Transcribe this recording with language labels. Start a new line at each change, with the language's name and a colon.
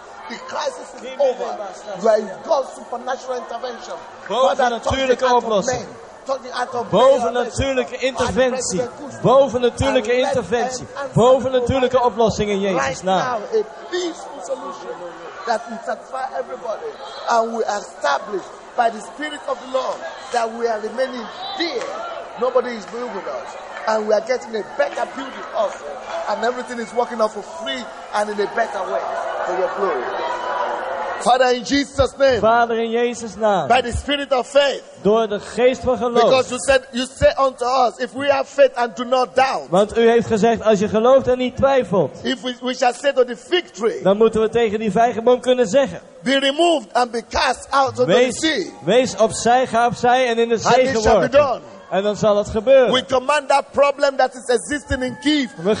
English: The crisis is over. You are in God's supernatural intervention.
Dutch: Bovennatuurlijke oplossing. Bovennatuurlijke interventie. Bovennatuurlijke interventie. Bovennatuurlijke oplossing in Jezus naam.
English: A peaceful solution that will satisfy everybody. And we are established by the Spirit of the Lord that we are remaining there. Nobody is moving with us. And we are getting a better beauty of it. And everything is working out for free and in a better way. For your glory. Father, in Jesus' name.
Dutch: Vader, in Jezus naam.
English: By the spirit of faith.
Dutch: Door de geest van geloof.
English: Because you said unto us, if we have faith and do not doubt.
Dutch: Want u heeft gezegd, als je gelooft en niet twijfelt.
English: If we shall say to the fig tree.
Dutch: Dan moeten we tegen die vijgenboom kunnen zeggen.
English: Be removed and be cast out of the sea.
Dutch: Wees opzij, ga opzij en in de zee geworpen. En dan zal het gebeuren.
English: We command that problem that is existing in Kiev